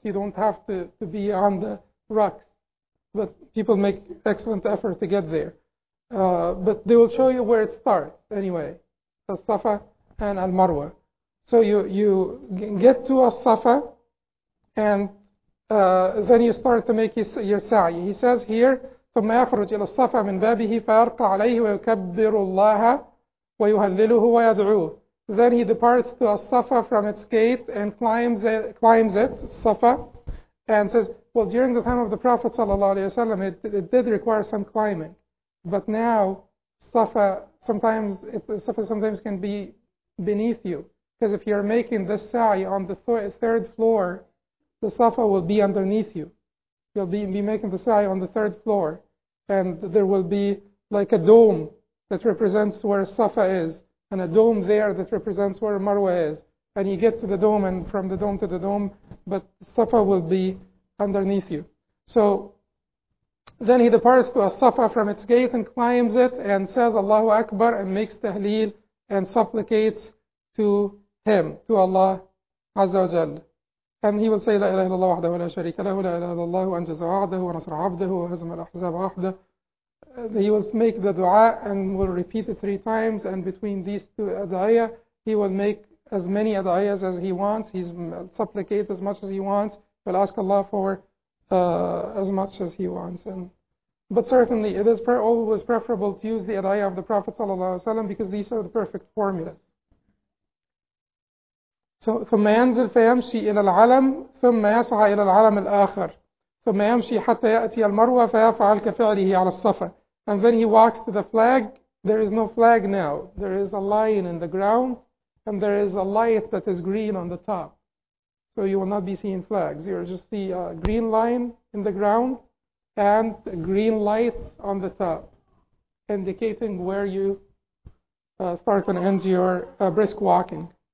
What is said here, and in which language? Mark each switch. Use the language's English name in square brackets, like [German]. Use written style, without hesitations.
[English] You don't have to be on the rocks, but people make excellent effort to get there. But they will show you where it starts anyway, Safa and Al Marwa. So you get to Safa, and then you start to make your sa'i. He says here, [Arabic] ثم يخرج إلى الصفا من بابه فيرقى عليه ويكبر الله ويهلله ويدعوه. [English] Then he departs to الصفا from its gate and climbs it, الصفا, and says, well, during the time of the Prophet ﷺ, it did require some climbing, but now الصفا sometimes can be beneath you, because if you're making the sa'i on the third floor, the صفا will be underneath you. You'll be making the sa'i on the third floor. And there will be like a dome that represents where Safa is, and a dome there that represents where Marwa is. And you get to the dome, and from the dome to the dome, but Safa will be underneath you. So then he departs to Safa from its gate and climbs it and says Allahu Akbar and makes tahleel and supplicates to him, to Allah Azza wa Jalla. And he will say, [Arabic] لا إله إلا الله وحده ولا شريك له لا إله إلا الله وأنجز وعده ونصر عبده وهزم الأحزاب وحده. [English] He will make the dua and will repeat it three times, and between these two adaya, he will make as many adayas as he wants. He's supplicate as much as he wants. He will ask Allah for as much as he wants. And But certainly, it is always preferable to use the adaya of the Prophet ﷺ because these are the perfect formulas. [Arabic] So, ثم ينزل فيمشي إلى العلم ثم يسعى إلى العلم الآخر ثم يمشي حتى يأتي المروة فيفعل كفعله على الصفا. [English] And then he walks to the flag. There is no flag now. There is a line in the ground, and there is a light that is green on the top. So you will not be seeing flags. You will just see a green line in the ground and a green light on the top, indicating where you start and end your brisk walking.